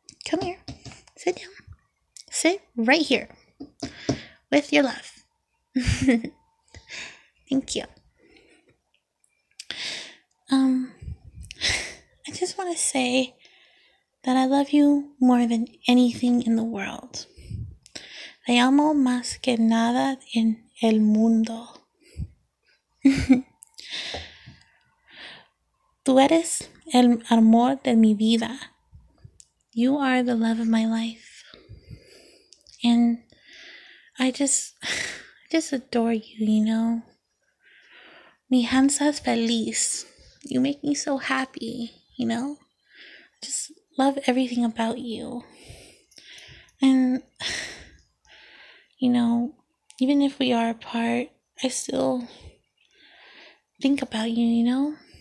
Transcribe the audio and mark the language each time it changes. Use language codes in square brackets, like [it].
[en] Come here. Sit down. Sit right here. With your love. Thank you. I just want to say that I love you more than anything in the world. [es] Te amo más que nada en el mundo. Tú eres el amor de mi vida. [en] You are the love of my life. And I just adore you, you know. [es] Mi hansa es feliz. [en] You make me so happy, you know. Just love everything about you. And, you know, even if we are apart, I still think about you, you know?